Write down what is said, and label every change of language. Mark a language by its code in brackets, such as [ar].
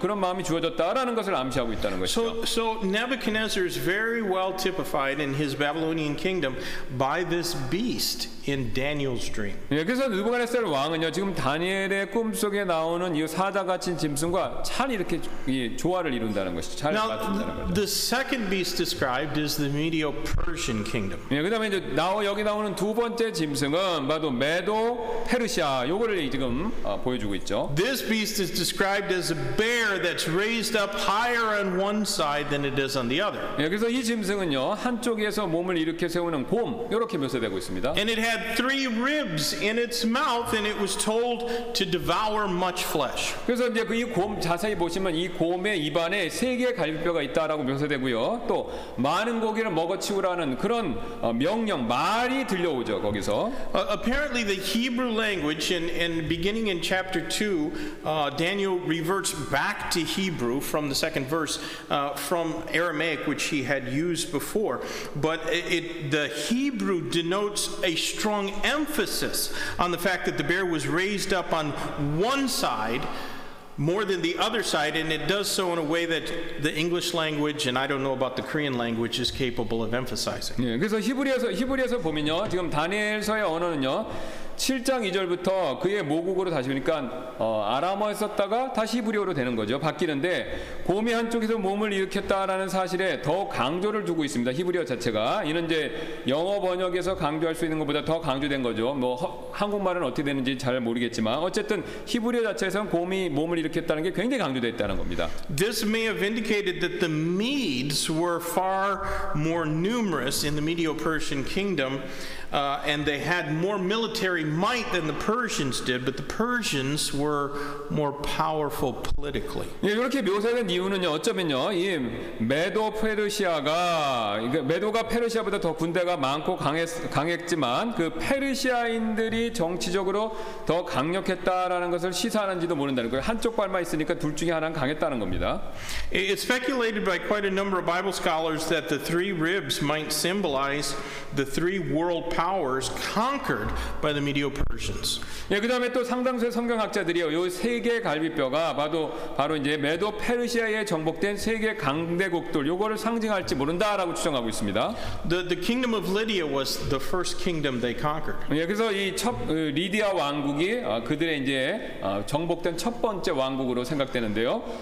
[ko] 그런 마음이 주어졌다라는 것을 암시하고 있다는 것이죠. [en] So Nebuchadnezzar is very well typified in his Babylonian kingdom by this beast in Daniel's dream. [ko] 예, 그래서 느부갓네살 왕은요 지금 다니엘의 꿈 속에 나오는 이 사자 같은 짐승과 참 이렇게 조화를 이룬다는 것이죠. 잘 맞. [en] The second beast described is the Medo-Persian kingdom. [ko] 예, 그다음에 이제 여기 나오는 두 번째 짐승은 바로 메도 페르시아 요거를 지금 보여주고 있죠. [en] This beast is described as a bear that's raised up higher on one side than it is on the other. [ko] 예, 그래서 이 짐승은요 한쪽에서 몸을 이렇게 세우는 곰 이렇게 묘사되고 있습니다. [en] And it had three ribs in its mouth, and it was told to devour much flesh. [ko] 그래서 이제 그 이 곰 자세히 보시면 이 곰의 입안에 세 개의 갈비 뼈가 있다라고 묘사되고요. 또 많은 고기를 먹어치우라는 그런 명령 말이 들려오죠 거기서. [en] Apparently the Hebrew language in beginning in chapter 2 Daniel reverts back to Hebrew from the second verse from Aramaic which he had used before. But it the Hebrew denotes a strong emphasis on the fact that the bear was raised up on one side. More than the other side, and it does so in a way that the English language and I don't know about the Korean language is capable of emphasizing. [ko] 예, 그래서 히브리에서 보면요, 지금 다니엘서의 언어는요, 7장 2절부터 그의 모국어로 다시 보니까 아람어에 썼다가 다시 히브리어로 되는 거죠. 바뀌는데 곰이 한쪽에서 몸을 일으켰다라는 사실에 더 강조를 두고 있습니다. 히브리어 자체가 이는 이제 영어 번역에서 강조할 수 있는 것보다 더 강조된 거죠. 뭐 한국말은 어떻게 되는지 잘 모르겠지만 어쨌든 히브리어 자체에서는 곰이 몸을 일으켰다는 게 굉장히 강조되어 있다는 겁니다. [en] This may have indicated that the Medes were far more numerous in the Medo-Persian kingdom. And they had more military might than the Persians did, but the Persians were more powerful politically. [ko] 예, 이렇게 묘사된 이유는요, 어쩌면요, 이 메도페르시아가 메도가 페르시아보다 더 군대가 많고 강했지만 그 페르시아인들이 정치적으로 더 강력했다라는 것을 시사하는지도 모른다는 거예요. 한쪽 발만 있으니까 둘 중에 하나는 강했다는 겁니다. [en] It's speculated by quite a number of Bible scholars that the three ribs might symbolize the three world powers. Powers conquered by the Medo-Persians. [ko] 예, 그다음에 또 상당수의 성경학자들이요, 요 세 개의 갈비뼈가 바로 이제 메도페르시아에 정복된 세 개 강대국들 요거를 상징할지 모른다라고 추정하고 있습니다. [en] The kingdom of Lydia was the first kingdom they conquered. [ko] 예, 그래서 이 첫 리디아 왕국이 그들의 이제 정복된 첫 번째 왕국으로 생각되는데요.